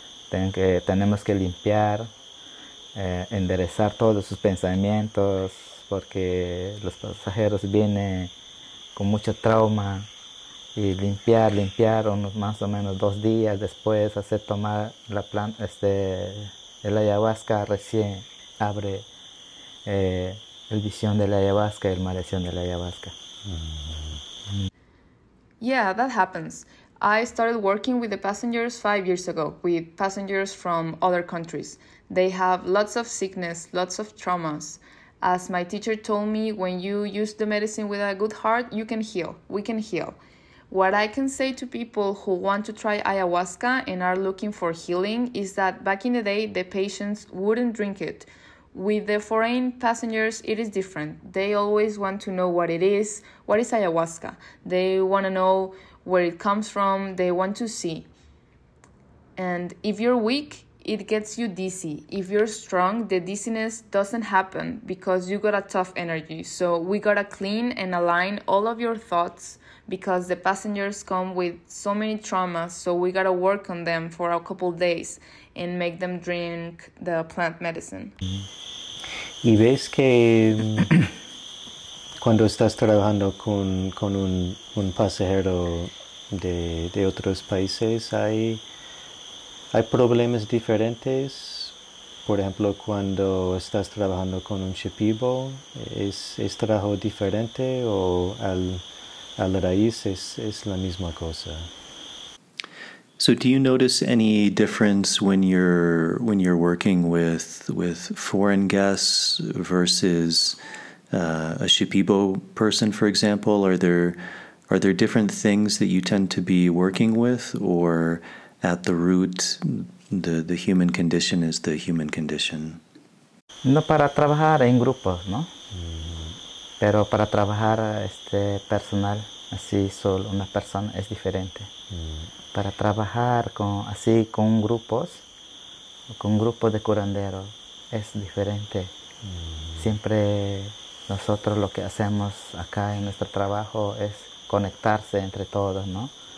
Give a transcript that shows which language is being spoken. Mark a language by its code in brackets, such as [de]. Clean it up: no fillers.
[es] Tenemos que limpiar, enderezar todos sus pensamientos porque los pasajeros vienen con mucho trauma y limpiar unos más o menos 2 días después, hacer tomar la planta, el ayahuasca recién abre la visión de la ayahuasca, el maldición de la ayahuasca. [en] Yeah, that happens. I started working with the passengers 5 years ago, with passengers from other countries. They have lots of sickness, lots of traumas. As my teacher told me, when you use the medicine with a good heart, you can heal. We can heal. What I can say to people who want to try ayahuasca and are looking for healing is that back in the day, the patients wouldn't drink it. With the foreign passengers, it is different. They always want to know what it is. What is ayahuasca? They want to know where it comes from. They want to see. And if you're weak, it gets you dizzy. If you're strong, the dizziness doesn't happen because you got a tough energy. So we got to clean and align all of your thoughts because the passengers come with so many traumas. So we got to work on them for a couple days and make them drink the plant medicine. [es] Y ves que cuando estás trabajando con un pasajero de otros países, hay problemas diferentes. Por ejemplo, cuando estás trabajando con un Shipibo, ¿es trabajo diferente o al raíz es la misma cosa? [en] So do you notice any difference when you're working with foreign guests versus a Shipibo person, for example? Are there different things that you tend to be working with, or at the root the human condition is the human condition? [es] No para trabajar en grupos, ¿no? Pero para trabajar personal, así solo una persona es diferente. Para trabajar con grupos, con grupos de curanderos, es diferente. Siempre nosotros lo que hacemos acá en nuestro trabajo es conectarse entre todos, ¿no?